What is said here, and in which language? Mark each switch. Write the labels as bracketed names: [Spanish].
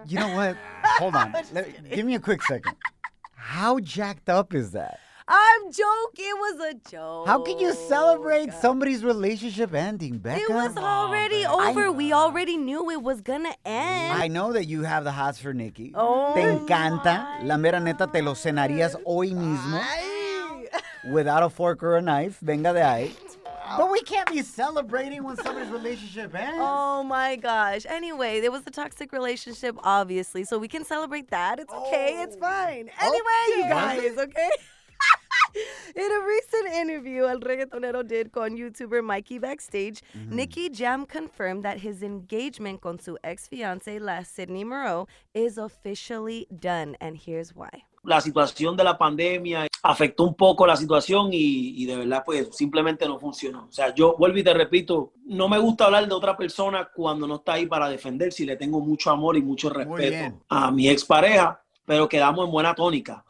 [English] You know what? Hold on. Give me a quick second. How jacked up is that? I'm joking. It was a joke. How can you celebrate somebody's relationship ending, Becca? It was already over. We already knew it was going to end. I know that you have the hots for Nicki. Oh, [Spanish] te encanta. La mera neta, te lo cenarías hoy mismo. [English] Without a fork or a knife. [Spanish] Venga de ahí. [English] But we can't be celebrating when somebody's relationship ends. Oh, my gosh. Anyway, it was a toxic relationship, obviously. So we can celebrate that. It's okay. It's fine. Anyway, you guys, okay? In a recent interview El Reggaetonero did con YouTuber Mikey Backstage, mm-hmm. Nicky Jam confirmed that his engagement [Spanish] con su ex-fiance, la [English] Sydney Moreau, is officially done, and here's why. [Spanish] La situación de la pandemia afectó un poco la situación y de verdad, pues, simplemente no funcionó. O sea, yo vuelvo y te repito, no me gusta hablar de otra persona cuando no está ahí para defender, si le tengo mucho amor y mucho respeto a mi expareja, pero quedamos en buena tónica.